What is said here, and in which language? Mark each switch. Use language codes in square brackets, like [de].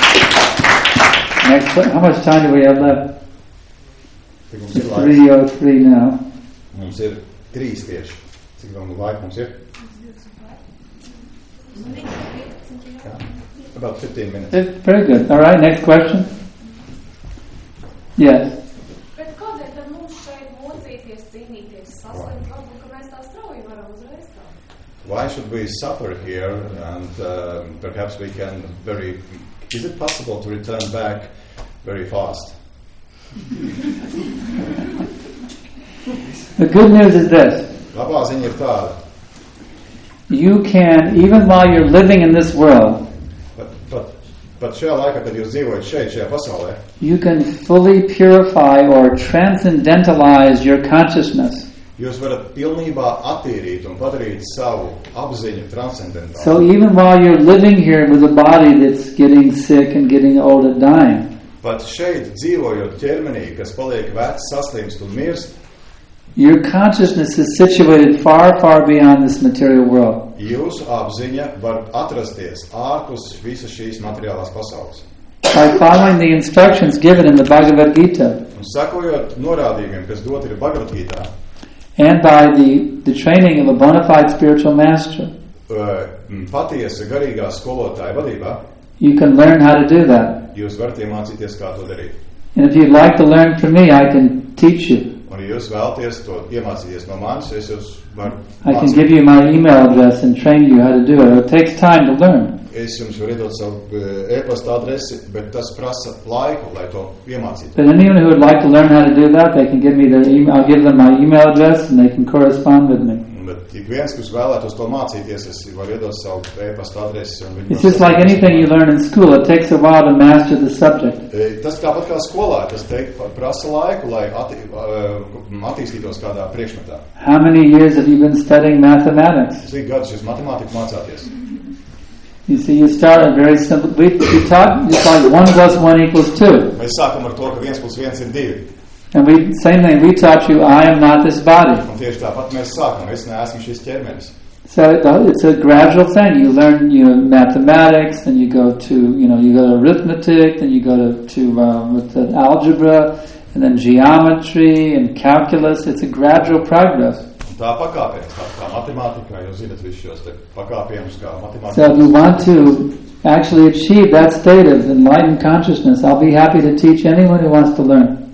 [en] Next, how much time do we have left? It's 3:03 now. [lv] Mums ir 3 tieši. Cik vēl laika mums ir? [en] About 15 minutes. It's pretty good. All right, next question. Yes. [lv] Bet kādēļ tad mums šeit mocīties, cīnīties, saslimt, varbūt, ka mēs tā strauji varam uzreiz tā? [en] Why should we suffer here and perhaps we can very... Is it possible to return back very fast? The good news is this. [lv] Labā ziņa ir tāda. [en] You can, even while you're living in this world, but [lv] šajā laikā, kad jūs dzīvojat šeit, šajā pasaulē, [en] you can fully purify or transcendentalize your consciousness. [lv] Jūs varat pilnībā attīrīt un padarīt savu apziņu transcendentālu. [en] So even while you're living here with a body that's getting sick and getting old and dying, but [lv] šeit dzīvojot ķermenī, kas paliek vecs, saslimst un mirst, [en] your consciousness is situated far, far beyond this material world. [lv] Jūsu apziņa var atrasties ārpus visa šīs materiālās pasaules. [en] By following the instructions given in the Bhagavad Gita, [lv] un sakojot norādījumiem, kas dot ir Bhagavad Gita, [en] and by the training of a bona fide spiritual master, [lv] patiesa garīgā skolotāja vadībā, [en] you can learn how to do that. [lv] Jūs varat iemācīties, kā to darīt. [en] And if you'd like to learn from me, I can teach you. [lv] Un, ja jūs vēlaties to iemācīties no manis, es jūs varu mācīt. [en] I can give you my email address and train you how to do it. It takes time to learn. [lv] Es jums varu iedot savu e-pasta adresi, bet tas prasa laiku, lai to iemācītu. [en] But anyone who would like to learn how to do that, they can give me their email, I'll give them my email address and they can correspond with me. [lv] Bet tik viens, kas vēlētos to mācīties, es varu iedot savu e-pasta adresi. Un [en] it's just like anything you learn in school, it takes a while to master the subject. [lv] Tas tāpat kā skolā, tas prasa laiku, lai attīstītos kādā priekšmetā. [en] How many years have you been studying mathematics? [lv] Cik gadus jūs matemātiku mācāties? [en] You see, you start a very simple, we talk, it's like 1 + 1 = 2. [lv] Mēs sākam ar to, ka 1 + 1 = 2. [en] And we, same thing, we taught you, I am not this body. [lv] Un tieši tāpat mēs sākam, es neesmu šis ķermenis. [en] So it's a gradual thing, you learn, you know, mathematics, then you go to, you know, you go to arithmetic, then you go to with the algebra, and then geometry and calculus, it's a gradual progress. [lv] Tā pakāpienas, kā matemātikā, jūs zinat visu šos te pakāpienus, kā matemātikā. [en] So if you want to actually achieve that state of enlightened consciousness, I'll be happy to teach anyone who wants to learn.